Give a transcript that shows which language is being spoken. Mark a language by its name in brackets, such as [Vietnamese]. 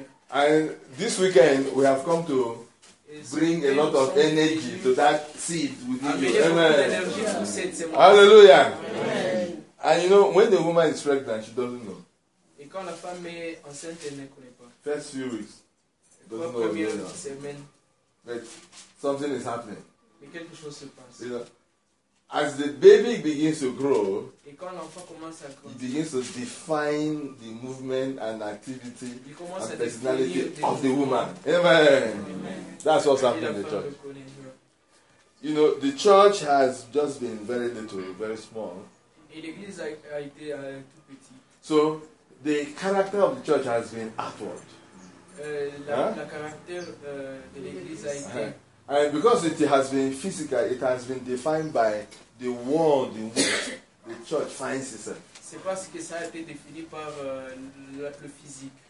[English] And this weekend, we have come to bring a lot of energy to that seed within you. Amen. Hallelujah. Amen. And you know, when the woman is pregnant, she doesn't know. [French] Et quand la femme est enceinte, elle ne connaît pas. [English] First few weeks. But something is happening. [French] Mais quelque chose se passe. [English] You know, as the baby begins to grow, [French] et quand l'enfant commence à grandir, [English] it begins to define the movement and activity and personality of the woman. Amen. That's what's happening in the church. You know, the church has just been very little, very small. [French] Et l'église a été tout petit. [English] So, the character of the church has been outward. [French] La caractère de l'église a été. [English] And because it has been physical, it has been defined by the world in which the church finds itself. [French] C'est parce que ça a été défini par le physique.